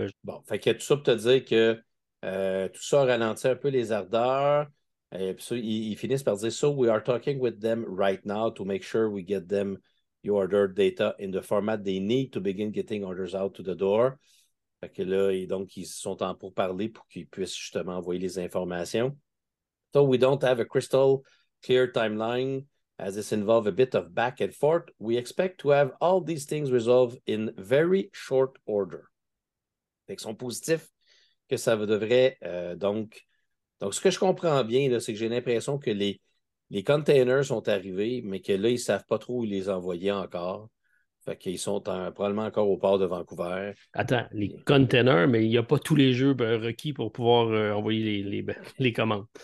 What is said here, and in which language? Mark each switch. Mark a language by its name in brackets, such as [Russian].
[French] Bon, fait que tout ça pour te dire que tout ça a ralenti un peu les ardeurs. Et puis ça, ils finissent par dire [English] « So we are talking with them right now to make sure we get them your order data in the format they need to begin getting orders out to the door ». [French] Fait que là, donc, ils sont en pourparler pour qu'ils puissent justement envoyer les informations. [English] So we don't have a crystal clear timeline as this involves a bit of back and forth. We expect to have all these things resolved in very short order. [French] Fait qu'ils sont positifs que ça devrait, donc, ce que je comprends bien, là, c'est que j'ai l'impression que les containers sont arrivés, mais que là, ils ne savent pas trop où les envoyer encore. Fait qu'ils sont probablement encore au port de Vancouver. Attends, les containers, mais il n'y a pas tous les jeux requis pour pouvoir envoyer les commandes.